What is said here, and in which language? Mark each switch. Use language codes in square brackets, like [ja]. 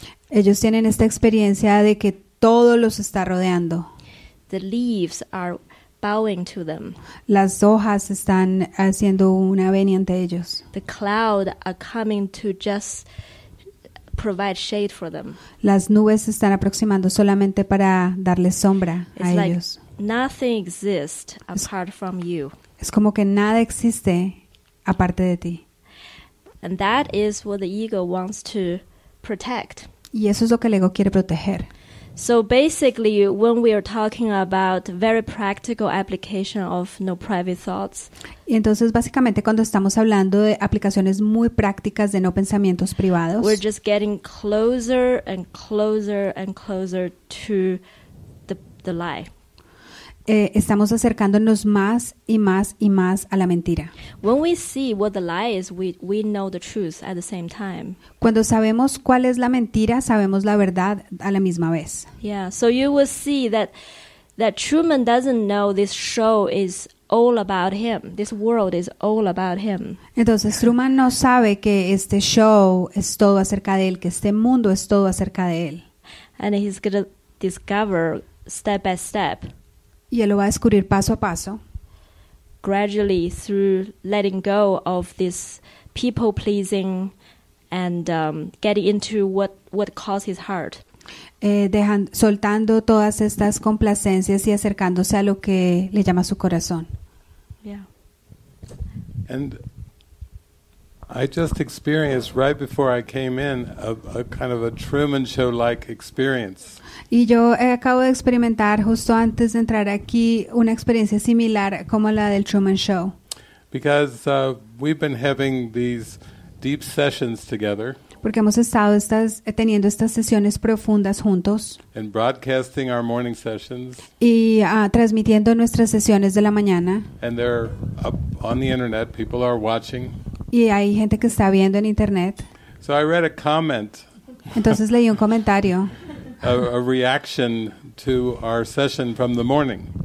[es] Ellos tienen esta experiencia de que todo los está rodeando. [en] The leaves are bowing to them. [es] Las hojas están haciendo una venia ante ellos. [en] The clouds are coming to just provide shade for them. [es] Las nubes están aproximando solamente para darles sombra a ellos. [en] Nothing exists apart from you. [es] Es como que nada existe aparte de ti. [en] And that is what the ego wants to protect. [es] Y eso es lo que el ego quiere proteger. [en] So basically, when we are talking about very practical application of no private thoughts, [es] y entonces básicamente cuando estamos hablando de aplicaciones muy prácticas de no pensamientos privados, [en] we're just getting closer and closer and closer to the lie. [es] Estamos acercándonos más y más y más a la mentira. [en] When we see what the lie is, we know the truth at the same time. [es] Cuando sabemos cuál es la mentira, sabemos la verdad a la misma vez. [en] Yeah, so you will see that Truman doesn't know this show is all about him. This world is all about him. [es] Entonces Truman no sabe que este show es todo acerca de él, que este mundo es todo acerca de él. [en] And he's going to discover step by step. [es] Y él lo va a descubrir paso a paso. [en] Gradually through letting go of this people pleasing and getting into what caused his heart. [es] Soltando todas estas complacencias y acercándose a lo que le llama su corazón. [en] Yeah. And I just experienced right before I came in a kind of a Truman Show like experience. [es] Y yo acabo de experimentar justo antes de entrar aquí una experiencia similar como la del Truman Show. [en] Because we've been having these deep sessions together. [es] Porque hemos estado teniendo estas sesiones profundas juntos. [en] And broadcasting our morning sessions. [es] Y transmitiendo nuestras sesiones de la mañana. [en] And they're up on the internet, people are watching. [es] Y hay gente que está viendo en internet. [en] So I read a comment. [es] Entonces leí un comentario. [en] A reaction to our session from the morning.